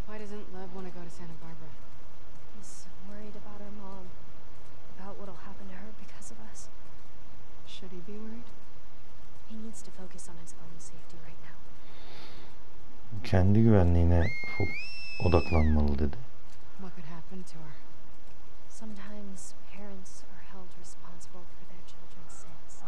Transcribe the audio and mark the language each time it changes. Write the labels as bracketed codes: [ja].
[en] Doesn't Lev want to go to Santa Barbara? He's so worried about her mom, about what'll happen to her because of us. Should he be worried? He needs to focus on his own safety right now. [tr] Kendi güvenliğine odaklanmalı dedi. [en] What could happen to her? Sometimes parents are held responsible for their children's sins.